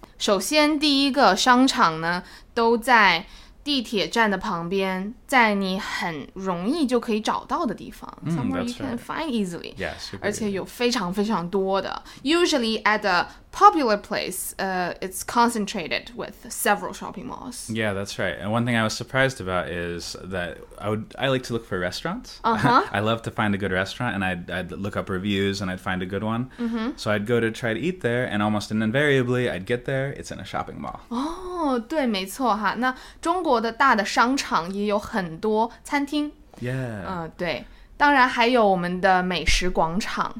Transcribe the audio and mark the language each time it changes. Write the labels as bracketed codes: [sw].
[zh] 首先，第一个商场呢，都在地铁站的旁边，在你很容易就可以找到的地方。 [en] Somewhere you can find easily. Yes, super. [zh] 而且有非常非常多的。 [en] Usually at a popular place, it's concentrated with several shopping malls. Yeah, that's right. And one thing I was surprised about is that I like to look for restaurants. I love to find a good restaurant, and I'd look up reviews, and I'd find a good one. So I'd go to try to eat there, and almost invariably, I'd get there, it's in a shopping mall. [zh] Oh, 对，没错哈。那中国的大的商场也有很多餐厅。 [en] Yeah. [zh] 对。当然还有我们的美食广场。